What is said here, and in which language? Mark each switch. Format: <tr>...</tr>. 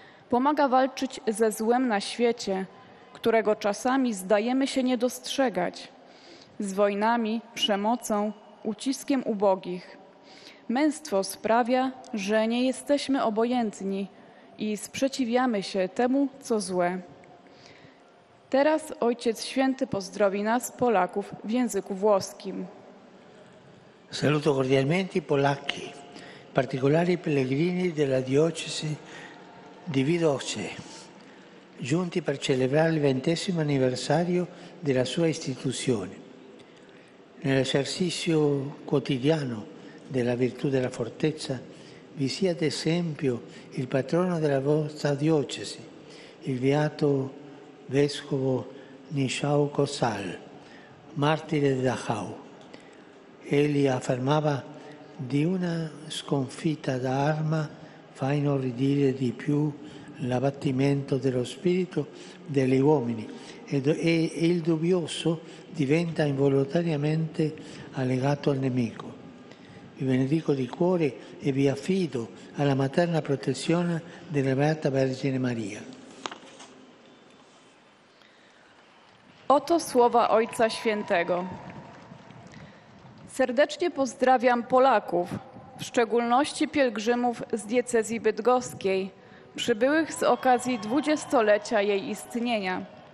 <pl>Pomaga walczyć ze złem na świecie, którego czasami zdajemy się nie dostrzegać, z wojnami, przemocą, uciskiem ubogich. Męstwo sprawia, że nie jesteśmy obojętni i sprzeciwiamy się temu, co złe. Teraz Ojciec Święty pozdrowi nas, Polaków, w języku włoskim.</pl> <it>Saluto cordialmente i Polacchi, in particolare i pellegrini della diocesi di Vidoce, giunti per celebrare il 20° anniversario della sua istituzione. Nell'esercizio quotidiano della virtù della fortezza, vi sia ad esempio il patrono della vostra diocesi, il beato vescovo Nishao Kosal, martire di Dachau. Egli affermava: di una sconfitta d'arma fa inorridire di più l'abbattimento dello spirito degli uomini, e il dubbioso diventa involontariamente allegato al nemico. Vi benedico di cuore e vi affido alla materna protezione della Beata Vergine Maria.</it> <pl>Oto słowa Ojca Świętego. Serdecznie pozdrawiam Polaków, w szczególności pielgrzymów z diecezji bydgoskiej, przybyłych z okazji 20-lecia jej istnienia.</pl>